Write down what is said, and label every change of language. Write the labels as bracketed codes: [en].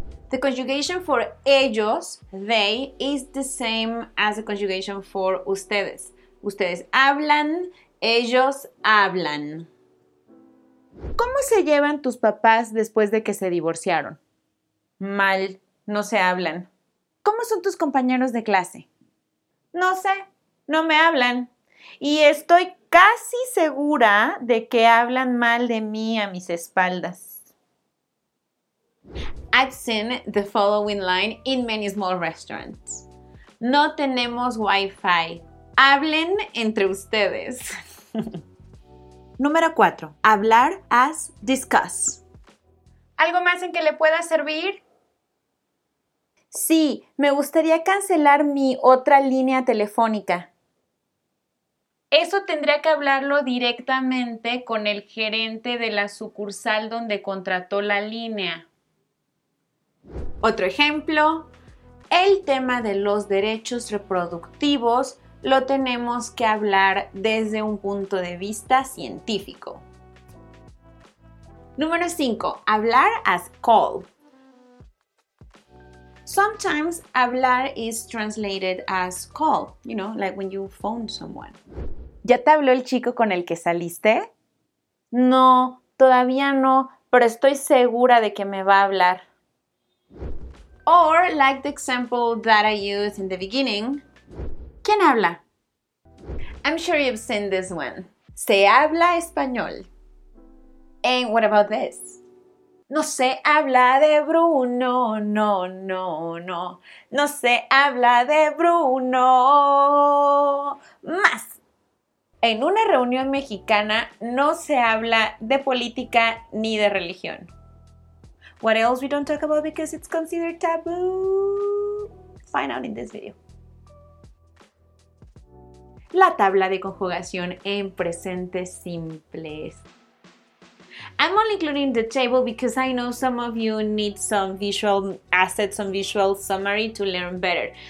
[en] The conjugation for ellos, they, is the same as the conjugation for ustedes. [es] Ustedes hablan, ellos hablan. ¿Cómo se llevan tus papás después de que se divorciaron? Mal, no se hablan. ¿Cómo son tus compañeros de clase? No sé, no me hablan. Y estoy casi segura de que hablan mal de mí a mis espaldas. [en] I've seen the following line in many small restaurants. [es] No tenemos Wi-Fi. Hablen entre ustedes. Número 4. [en] Hablar as discuss. [es] ¿Algo más en que le pueda servir? Sí, me gustaría cancelar mi otra línea telefónica. Eso tendría que hablarlo directamente con el gerente de la sucursal donde contrató la línea. Otro ejemplo, el tema de los derechos reproductivos lo tenemos que hablar desde un punto de vista científico. Número 5. [en] Hablar as call. Sometimes hablar is translated as call, you know, like when you phone someone. [es] ¿Ya te habló el chico con el que saliste? No, todavía no, pero estoy segura de que me va a hablar. [en] Or, like the example that I used in the beginning. [es] ¿Quién habla? [en] I'm sure you've seen this one. [es] Se habla español. [en] And what about this? [es] No se habla de Bruno, no, no, no. No se habla de Bruno. Más. En una reunión mexicana no se habla de política ni de religión. [en] What else we don't talk about because it's considered taboo? Find out in this video. [es] La tabla de conjugación en presentes simples. [en] I'm only including the table because I know some of you need some visual assets, some visual summary to learn better.